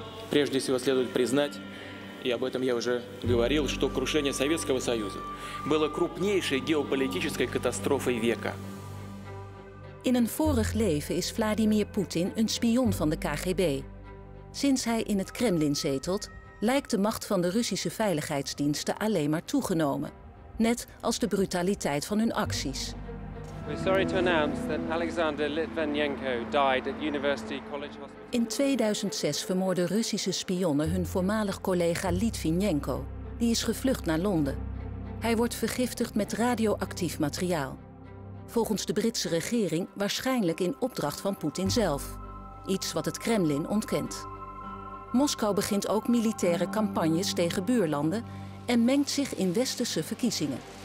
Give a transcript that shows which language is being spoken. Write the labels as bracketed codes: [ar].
[ru] Прежде всего следует признать, и об этом я уже говорил, что крушение Советского Союза было крупнейшей геополитической катастрофой века. [nl] In een vorig leven is Vladimir Poetin een spion van de KGB. Sinds hij in het Kremlin zetelt, lijkt de macht van de Russische veiligheidsdiensten alleen maar toegenomen, net als de brutaliteit van hun acties. [en] We're sorry to announce that Alexander Litvinenko died at University College Hospital. [nl] In 2006 vermoorden Russische spionnen hun voormalig collega Litvinenko. Die is gevlucht naar Londen. Hij wordt vergiftigd met radioactief materiaal. Volgens de Britse regering waarschijnlijk in opdracht van Poetin zelf. Iets wat het Kremlin ontkent. Moskou begint ook militaire campagnes tegen buurlanden en mengt zich in westerse verkiezingen.